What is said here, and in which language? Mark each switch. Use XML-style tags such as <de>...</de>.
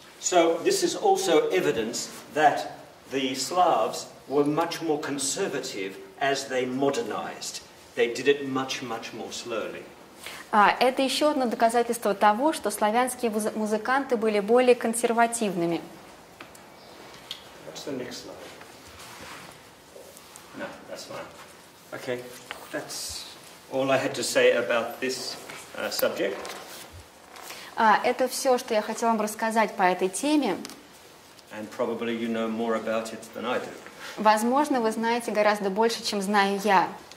<en>So this is also evidence that the Slavs were much more conservative as they modernized. They did it much, much more slowly.</en> <ru>Это еще одно доказательство того, что славянские музыканты были более консервативными.</ru> <en>What's the next slide? No, that's fine. Okay, that's all I had to say about this subject.</en> <ru>Это все, что я хотела вам рассказать по этой теме.</ru> <en>And probably you know more about it than I do.</en> <ru>Возможно, вы знаете гораздо больше, чем знаю я.</ru>